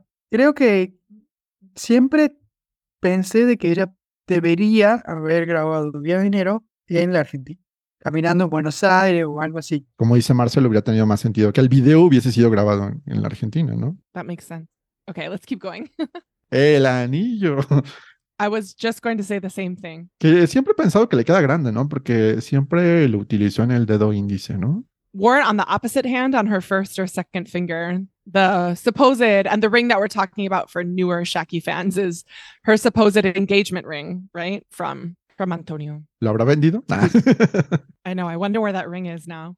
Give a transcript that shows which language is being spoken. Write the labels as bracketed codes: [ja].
[es] Creo que siempre pensé de que ella debería haber grabado Día de Enero en la Argentina, caminando en Buenos Aires o algo así. Como dice Marcelo, hubiera tenido más sentido que el video hubiese sido grabado en la Argentina, ¿no? [en] That makes sense. Okay, let's keep going. [es] El anillo. [en] I was just going to say the same thing. [es] Que siempre he pensado que le queda grande, ¿no? Porque siempre lo utilizó en el dedo índice, ¿no? [en] Wore it on the opposite hand on her first or second finger. The supposed, and the ring that we're talking about for newer Shaki fans is her supposed engagement ring, right? From Antonio. [es] ¿Lo habrá vendido? Nah. [en] I know, I wonder where that ring is now.